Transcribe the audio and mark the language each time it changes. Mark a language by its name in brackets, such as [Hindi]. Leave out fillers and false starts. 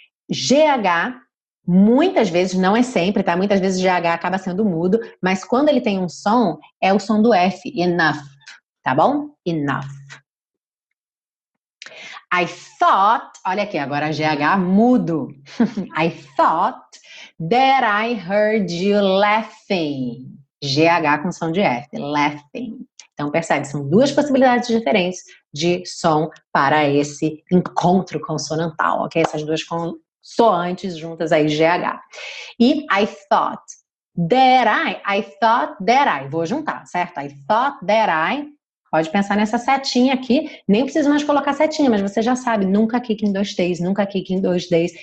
[Portuguese] GH, muitas vezes, não é sempre, tá? Muitas vezes GH acaba sendo mudo, mas quando ele tem um som, é o som do F, enough. Tá bom? Enough. I thought, olha aqui, agora GH mudo. [English] I thought that I heard you laughing. [Portuguese] GH com som de F, laughing. Então percebe, são duas possibilidades diferentes de som para esse encontro consonantal, ok? Essas duas consoantes juntas aí, GH. [English] E I thought that I thought that I, [Portuguese] vou juntar, certo? [English] I thought that I. [Portuguese] Pode pensar nessa setinha aqui, nem precisa mais colocar setinha, mas você já sabe, nunca kick em dois T's, nunca kick em dois D's.